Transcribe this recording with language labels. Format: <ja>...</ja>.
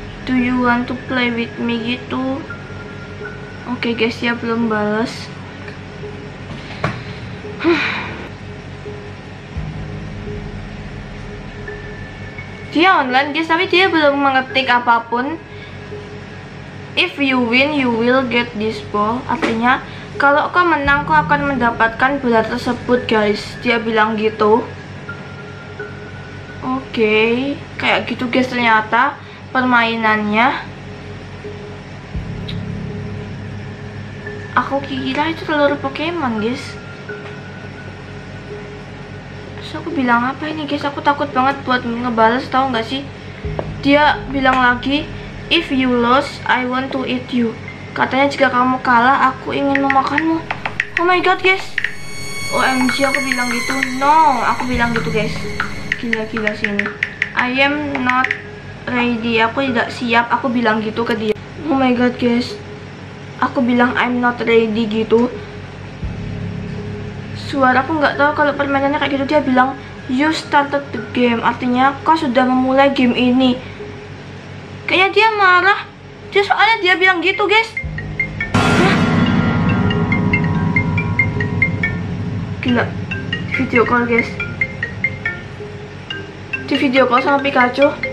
<en>Do you want to play with me</en> <id>gitu? Oke guys, dia belum bales. Dia online guys, tapi dia belum mengetik apapun.</id> <en>If you win, you will get this ball.</en> <id>Artinya, kalau kau menang, kau akan mendapatkan bola tersebut guys. Dia bilang gitu. Oke, kayak gitu guys ternyata permainannya. Aku kira itu telur Pokemon guys. Terus aku bilang apa ini guys? Aku takut banget buat ngebales, tau gak sih? Dia bilang lagi,</id> <en>if you lose, I want to eat you.</en> <id>Katanya jika kamu kalah, aku ingin memakanmu.</id> <en>Oh my god guys. OMG,</en> <id>aku bilang gitu.</id> <en>No,</en> <id>aku bilang gitu guys. Gila-gila sini.</id> <en>I am not ready.</en> <id>Aku tidak siap. Aku bilang gitu ke dia.</id> <en>Oh my god guys.</en> <id>Aku bilang</id> <en>I'm not ready</en> <id>gitu. Suara aku gak tahu kalau permainannya kayak gitu. Dia bilang</id> <en>you started the game.</en> <id>Artinya kau sudah memulai game ini. Kayaknya dia marah. Dia soalnya dia bilang gitu guys. Gila. Video call guys. Di video call sama Pikachu.</id>